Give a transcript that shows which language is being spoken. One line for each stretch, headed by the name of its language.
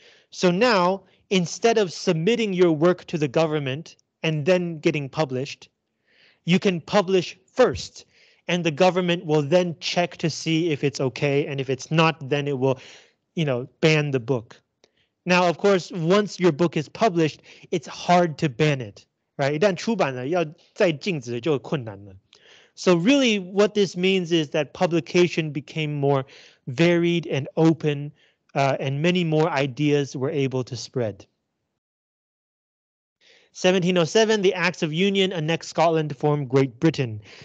English: So now, instead of submitting your work to the government and then getting published, you can publish first, and the government will then check to see if it's okay, and if it's not, then it will, you know, ban the book. Now, of course, once your book is published, it's hard to ban it, right?
Chinese: 一旦出版了，要再禁止就困难了。
English: So really what this means is that publication became more varied and open, and many more ideas were able to spread. 1707, the Acts of Union annexed Scotland to form Great Britain.